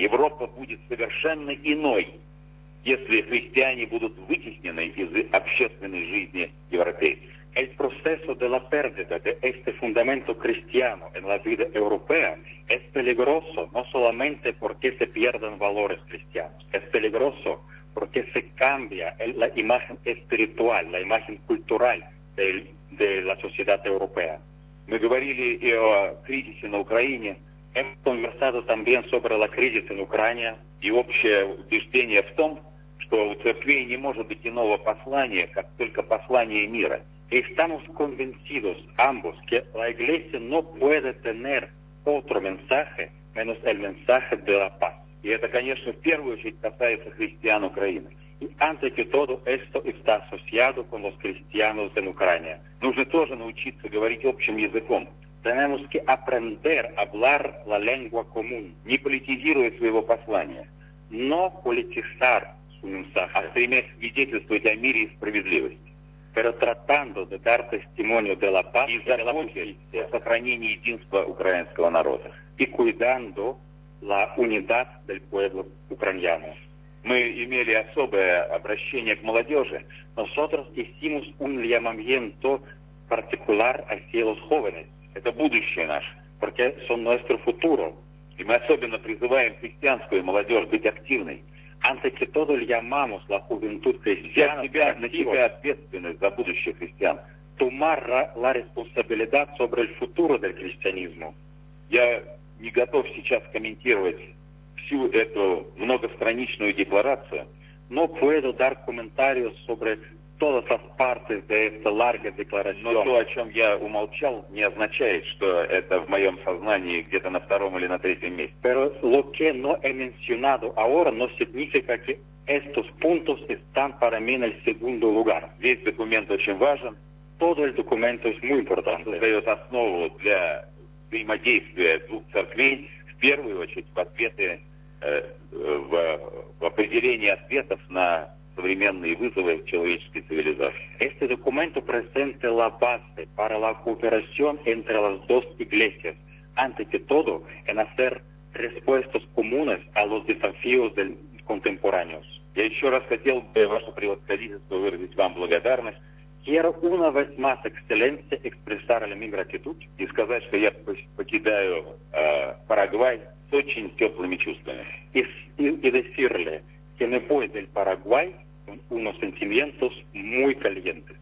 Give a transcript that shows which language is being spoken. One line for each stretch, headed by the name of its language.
Russian: Европа будет совершенно иной, если христиане будут вытеснены из общественной жизни европейцев.
Spanish: El proceso de la pérdida de este fundamento cristiano en la vida europea es peligroso no solamente porque se pierden valores cristianos, es peligroso porque se cambia la imagen espiritual, la imagen cultural de la sociedad europea.
Russian: Мы говорили и о кризисе на Украине.
Spanish: Hemos conversado también sobre la crisis en Ucrania.
Russian: И общее убеждение в том, что у церквей не может быть иного послания, как только послание мира.
Spanish: Y estamos convencidos ambos que la iglesia no puede tener otro mensaje menos el mensaje de la paz.
Russian: Y это, конечно, в первую очередь касается христиан Украины.
Spanish: Y antes que todo esto está asociado con los cristianos en Ucrania.
Russian: Нужно тоже научиться говорить общим языком.
Spanish: Tenemos que aprender a hablar la lengua común.
Russian: Не политизируя своего послания.
Spanish: No politizar su mensaje.
Russian: А стремясь свидетельствовать о мире и справедливости.
Spanish: Pero tratando de dar testimonio de la paz y de la justicia, o
Russian: сохранении единства украинского народа,
Spanish: y cuidando la unidad del pueblo ucraniano.
Russian: Мы имели особое обращение к молодежи.
Spanish: Nosotros hicimos un llamamiento particular hacia los jóvenes.
Russian: Это будущее наше.
Spanish: Porque son nuestro futuro.
Russian: И мы особенно призываем христианскую молодежь быть активной.
Spanish: Antes que todo llamamos la juventud cristiana
Russian: на себя ответственность за будущее христиан.
Spanish: Tomar la responsabilidad sobre el futuro del cristianismo.
Russian: Я не готов сейчас комментировать всю эту многостраничную декларацию.
Spanish: No puedo dar comentarios sobre todas las partes de esta larga declaración.
Russian: Но то, о чем я умолчал, не означает, что это в моем сознании где-то на втором или на третьем месте.
Spanish: Pero lo que no he mencionado ahora no significa que estos puntos están para mí en el segundo lugar.
Russian: Весь документ очень важен.
Spanish: Todo el documento es muy importante.
Russian: Создает основу для взаимодействия двух церквей, в первую очередь в ответы, в определении ответов на современные вызовы человеческой цивилизации.
Spanish: Este documento presenta la base para la cooperación entre las dos iglesias, antes que todo en hacer respuestas comunes a los desafíos contemporáneos.
Russian: Я еще раз хотел бы ваше превосходительство выразить вам благодарность.
Spanish: Quiero una vez más, excelencia, expresarle mi gratitud
Russian: y сказать, что я покидаю Парагвай с очень теплыми чувствами.
Spanish: Y decirle que me voy del Paraguay con unos sentimientos muy calientes.